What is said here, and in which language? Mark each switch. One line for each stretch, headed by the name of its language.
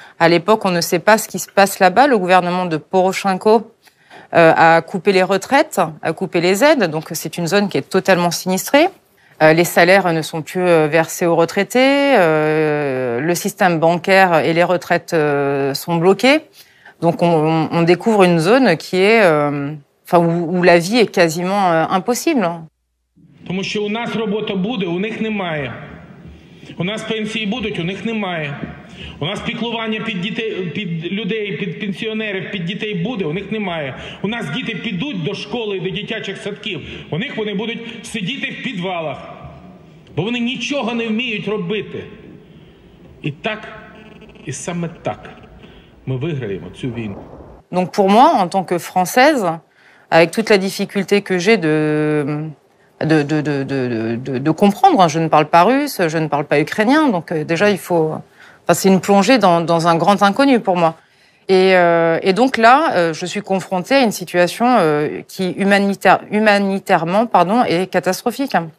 French: À l'époque, on ne sait pas ce qui se passe là-bas, le gouvernement de Porochenko a coupé les retraites, a coupé les aides, donc c'est une zone qui est totalement sinistrée. Les salaires ne sont plus versés aux retraités, le système bancaire et les retraites sont bloqués. Donc on découvre une zone qui est enfin, où la vie est quasiment impossible.
Ukrainian: Тому що у нас робота буде, у них немає. У нас пенсії будуть, у них немає. У нас піклування під дітей, під людей, під пенсіонерів, під дітей буде, у них немає. У нас діти підуть до школи, до дитячих садків. У них вони будуть сидіти в підвалах. Бо вони нічого не вміють робити. І так, і саме так ми виграємо цю війну.
French: Donc pour moi en tant que française avec toute la difficulté que j'ai de comprendre, je ne parle pas russe, je ne parle pas ukrainien, donc déjà il faut, enfin c'est une plongée dans un grand inconnu pour moi. Et donc là, je suis confrontée à une situation qui humanitairement, est catastrophique.